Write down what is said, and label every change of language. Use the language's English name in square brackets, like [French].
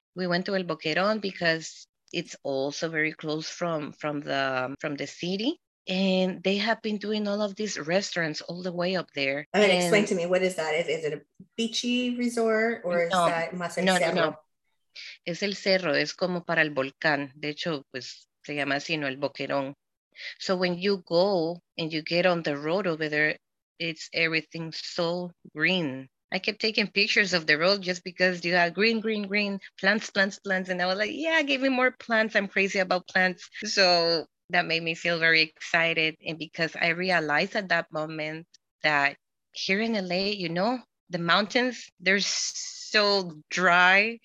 [English] We went to El Boquerón because it's also very close from the city. And they have been doing all of these restaurants all the way up there. And explain to me, what is that? Is it a beachy resort or is that Masa [Spanish] Cerro? No. Es el cerro. Es como para el volcán. De hecho, pues se llama así, no, El Boquerón. [English] So when you go and you get on the road over there, it's everything so green. I kept taking pictures of the road just because you have green, plants. And I was like, yeah, give me more plants. I'm crazy about plants. So that made me feel very excited. And because I realized at that moment that here in LA, you know, the mountains, they're so dry.